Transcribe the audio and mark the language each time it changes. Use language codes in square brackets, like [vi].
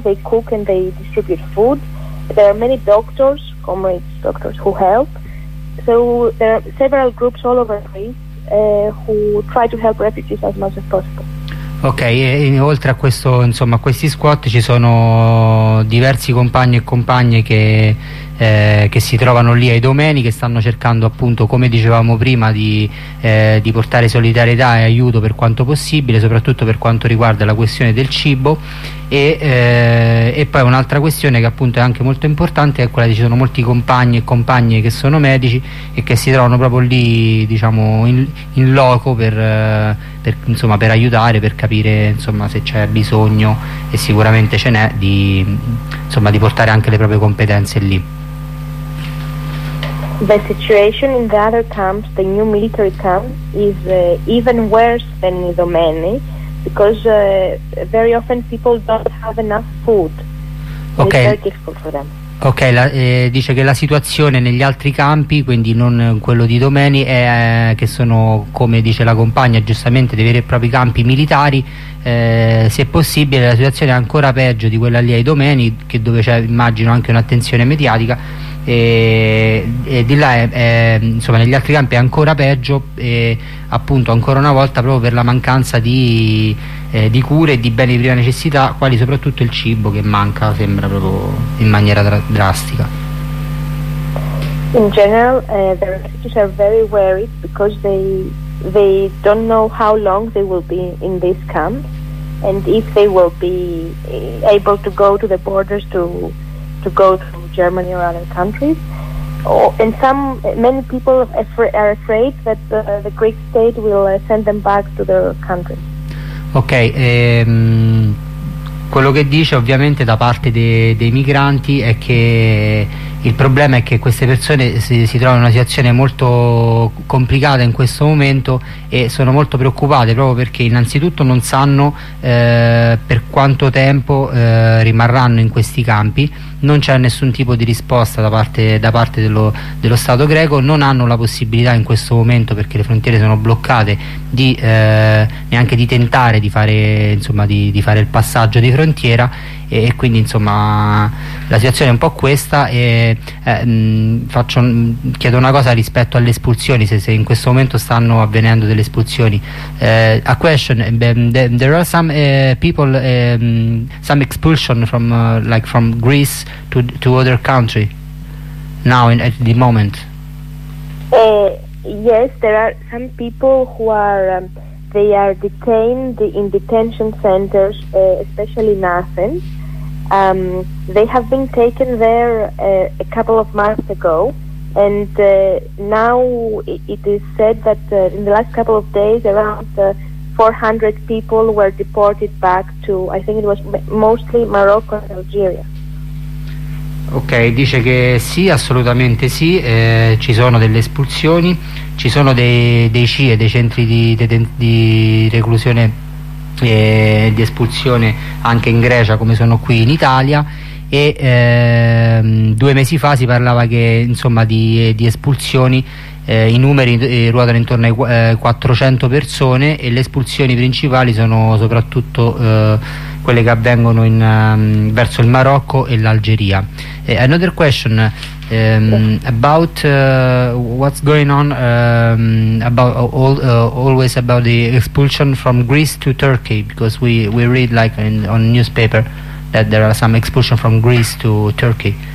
[en] They cook and they distribute food. There are many doctors who help. So there are several groups all over Greece who try to help refugees as much as possible. [it] Ok, oltre a questo, insomma, a questi squat, ci sono diversi compagni e compagne che si trovano lì ai domeni, che stanno cercando appunto, come dicevamo prima, di portare solidarietà e aiuto per quanto possibile, soprattutto per quanto riguarda la questione del cibo. E poi un'altra questione che appunto è anche molto importante è quella di, ci sono molti compagni e compagne che sono medici e che si trovano proprio lì, diciamo, in loco per aiutare, per capire insomma se c'è bisogno, e sicuramente ce n'è, di portare anche le proprie competenze lì. [en] The situation in the other camps, the new military camp, is even worse than Idomeni, because very often people don't have enough food. Okay. It's very difficult for them. [it] Ok, dice che la situazione negli altri campi, quindi non quello di Idomeni, che sono, come dice la compagna giustamente, dei veri e propri campi militari, se possibile la situazione è ancora peggio di quella lì ai Idomeni, che dove c'è, immagino, anche un'attenzione mediatica, e di là insomma negli altri campi è ancora peggio, appunto ancora una volta proprio per la mancanza di cure e di beni di prima necessità, quali soprattutto il cibo, che manca, sembra, proprio in maniera drastica. [en] In general, the refugees are very worried because they don't know how long they will be in this camp, and if they will be able to go to the borders to go to Germany or other countries. And many people are afraid that the Greek state will send them back to their country. [it] Ok, quello che dice ovviamente da parte dei migranti è che il problema è che queste persone si trovano in una situazione molto complicata in questo momento e sono molto preoccupate, proprio perché innanzitutto non sanno per quanto tempo rimarranno in questi campi, non c'è nessun tipo di risposta da parte dello Stato greco, non hanno la possibilità in questo momento, perché le frontiere sono bloccate, di neanche di tentare di fare, insomma, di fare il passaggio di frontiera. E quindi insomma la situazione è un po' questa, e chiedo una cosa rispetto alle espulsioni, se in questo momento stanno avvenendo delle espulsioni. [en] A question, there are some people, some expulsion from like from Greece to other country now at the moment. Yes, there are some people who are detained in detention centers, especially in Athens. They have been taken there a couple of months ago, and now it is said that in the last couple of days around 400 people were deported back to, I think it was mostly Morocco and Algeria. [it] Ok, dice che sì, assolutamente sì, ci sono delle espulsioni, ci sono dei CIE, dei centri di reclusione e di espulsione anche in Grecia, come sono qui in Italia, e due mesi fa si parlava che insomma di espulsioni, i numeri ruotano intorno ai 400 persone, e le espulsioni principali sono soprattutto quelle che avvengono in verso il Marocco e l'Algeria. [en] Another question about what's going on about always about the expulsion from Greece to Turkey, because we read like on newspaper that there are some expulsion from Greece to Turkey.